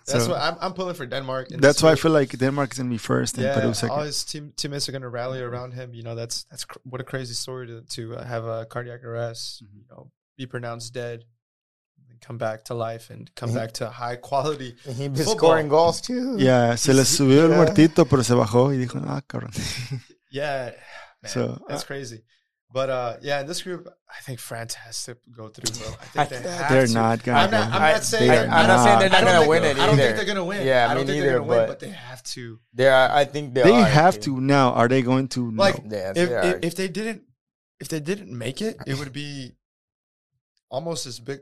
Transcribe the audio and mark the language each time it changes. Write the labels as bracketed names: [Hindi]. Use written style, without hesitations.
[English] That's so, what I'm pulling for Denmark. That's why I feel like Denmark is going to be first and Peru second. All his teammates are going to rally around him. You know, what a crazy story to have a cardiac arrest, mm-hmm. you know, be pronounced dead, and come back to life and come back to high quality football. He'd be scoring goals too. [Spanish] Yeah, se le subió el muertito, pero se bajó y dijo, ah, cabrón. [English] Yeah, man, so, that's crazy. But in this group, I think France has to go through. Bro. I think they're not going to. I'm not saying they're not going to win it either. I don't think they're going to win. Yeah, I mean, neither. But they have to. I think they have to now. Are they going to? Like, no. if they didn't make it, it would be almost as big.